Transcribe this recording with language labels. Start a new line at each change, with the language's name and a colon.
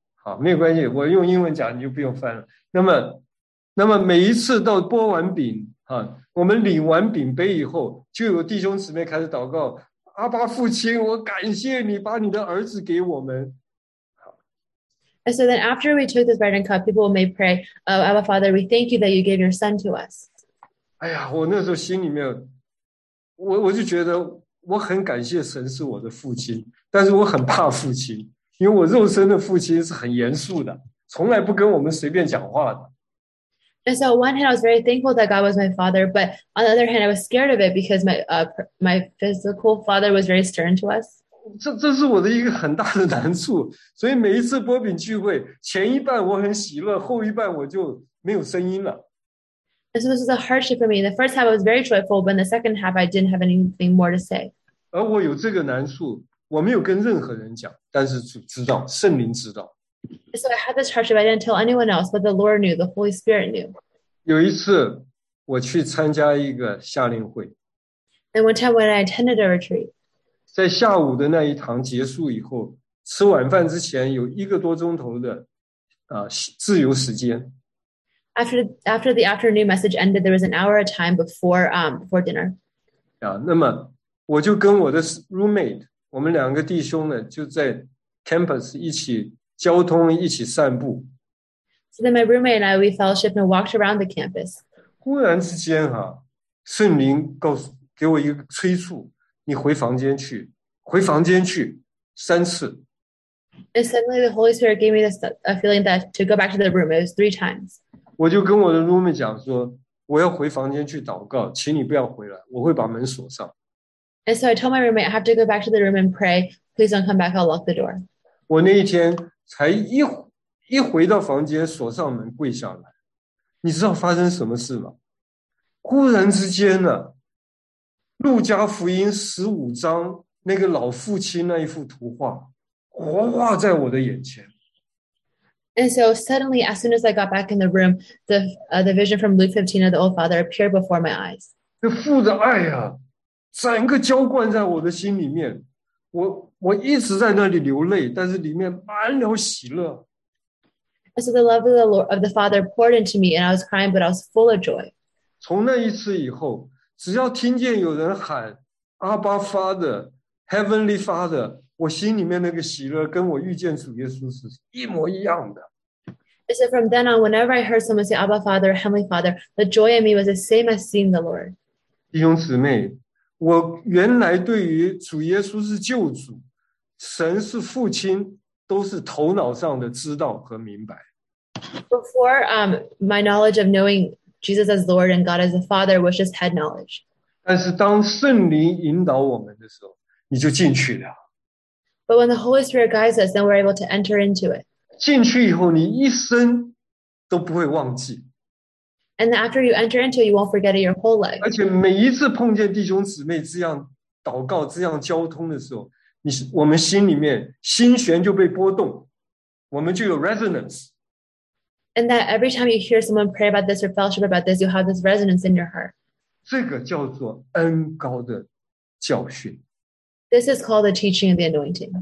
Chinese: 好，没有关系，我用英文讲，你就不用翻了。那么每一次到拨完饼我们领完饼杯以后，就有弟兄姊妹开始祷告：“阿爸父亲，我感谢你把你的儿子给我们。”
English: And so then after we took this bread and cup, people may pray, "Abba Father, we thank you that you gave your son to us."
Chinese: 哎呀，我那时候心里面，我就觉得我很感谢神是我的父亲，但是我很怕父亲，因为我肉身的父亲是很严肃的，从来不跟我们随便讲话的。
English: And so on one hand, I was very thankful that God was my father, but on the other hand, I was scared of it because my physical father was very stern to us.
Chinese: 这是我的一个很大的难处，所以每一次拨饼聚会，前一半我很喜乐，后一半我就没有声音了。
English: And so this was a hardship for me. The first half I was very joyful, but in the second half I didn't have anything more to say.
Chinese: 而我有这个难处，我没有跟任何人讲，但是主知道，圣灵知道。
English: So I had this hardship. I didn't tell anyone else, but the Lord knew. The Holy Spirit knew.
Chinese: 有一次，我去参加一个夏令会。
English: And one time when I attended a retreat.
Chinese: 在下午的那一堂结束以后，吃晚饭之前有一个多钟头的自由时间。
English: After the afternoon message ended, there was an hour of time before dinner.
Chinese: 那么我就跟我的 roommate, 我们两个弟兄呢，就在 campus 一起交通，一起散步。
English: So then my roommate and I, we fellowship and walked around the campus.
Chinese: 忽然之间啊，圣灵给我一个催促，你回房间去，回房间去，三次。
English: And suddenly the Holy Spirit gave me a feeling that to go back to the room, it was three times.
Chinese: 我就跟我的 roommate 讲说，我要回房间去祷告，请你不要回来，我会把门锁上。
English: And so I told my roommate, I have to go back to the room and pray, please don't come back, I'll lock the door.
Chinese: 我那一天才一回到房间，锁上门，跪下来。你知道发生什么事吗？忽然之间呢，路加福音十五章那个老父亲那一幅图画活化在我的眼前。
English: And so suddenly, as soon as I got back in the room, the vision from Luke 15 of the old father appeared before my eyes.
Chinese: 这父的爱啊，整个浇灌在我的心里面。我一直在那里流泪，但是里面满了喜乐。
English: And so the love of the father poured into me, and I was crying, but I was full of joy.
Chinese: 从那一次以后，只要听见有人喊阿爸
English: Father, Heavenly Father,
Chinese: 我心里面那个喜乐跟我遇见主耶稣是一模一样的。
English: And so from then on, whenever I heard someone say, Abba Father, Heavenly Father, the joy in me was the same as seeing the Lord.
Chinese: 弟兄姊妹，我原来对于主耶稣是救主，神是父亲，都是头脑上的知道和明白。
English: Before, my knowledge of knowing Jesus as Lord and God as the Father was just head knowledge.
Chinese: 但是当圣灵引导我们的时候，你就进去了。
English: But when the Holy Spirit guides us, then we're able to enter into it.
Chinese: 进去以后，你一生都不会忘记。
English: And after you enter into it, you won't forget it your whole life.
Chinese: 而且每一次碰见弟兄姊妹这样祷告、这样交通的时候，我们心里面心弦就被波动，我们就有 resonance.
English: And that every time you hear someone pray about this or fellowship about this, you have this resonance in your heart.
Chinese: 这个叫做恩膏的教训。
English: This is called the teaching of the anointing.